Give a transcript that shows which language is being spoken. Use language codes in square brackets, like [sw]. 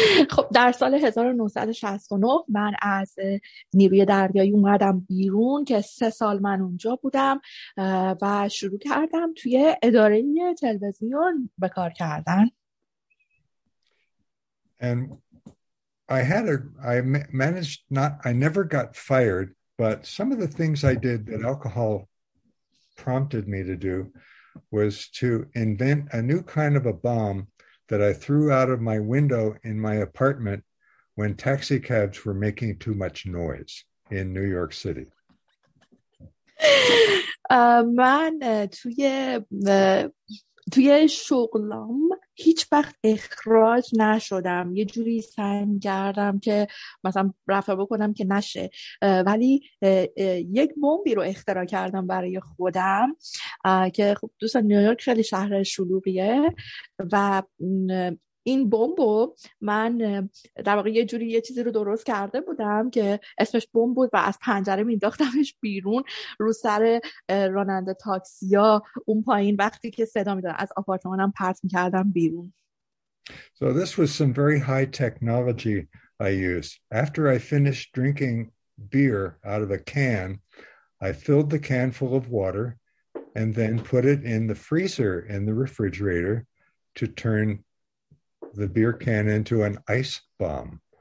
[fa] خب در سال 1969 من از نیروی دریایی اومدم بیرون که 3 سال من اونجا بودم و شروع کردم توی اداره تلویزیون به کار کردن. [en] And I had a I managed not I never got fired, but some of the things I did that alcohol prompted me to do was to invent a new kind of a bomb that I threw out of my window in my apartment when taxi cabs were making too much noise in New York City. [fa] من توی توی شغلم هیچ وقت اخراج نشدم، یه جوری سعی کردم که مثلا رفع بکنم که نشه، ولی یک بمبی رو اختراع کردم برای خودم که خب دوستان نیویورک خیلی شهر شلوغیه و این بمب رو من در واقع یه جوری یه چیزی رو درست کرده بودم که اسمش بمب بود و از پنجره مینداختمش بیرون رو سر راننده تاکسیا اون پایین وقتی که صدا میداد، از آپارتمانم پرت میکردم بیرون. [en] So this was some very high technology I used. After I finished drinking beer out of a can, I filled the can full of water and then put it in the freezer in the refrigerator to turn the beer can into an ice bomb.